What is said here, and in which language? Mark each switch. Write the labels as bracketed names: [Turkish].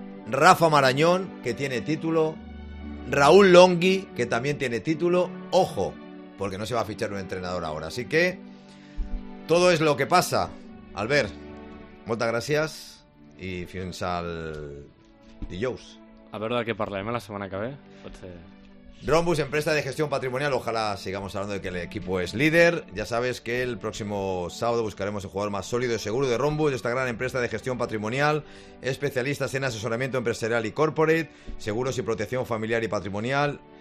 [Spanish] ¿Rafa Marañón, que tiene título? ¿Raúl Longhi, que también tiene título? Ojo, porque no se va a fichar un entrenador ahora. Así que, todo es lo que pasa. Albert, muchas gracias y [Catalan] fins al dijous. A veure de què parlem la setmana que ve, potser... [Spanish] Rhombus, empresa de gestión patrimonial. Ojalá sigamos hablando de que el equipo es líder. Ya sabes que el próximo sábado buscaremos el jugador más sólido y seguro de Rhombus, de esta gran empresa de gestión patrimonial. Especialistas en asesoramiento empresarial y corporate, seguros y protección familiar y patrimonial.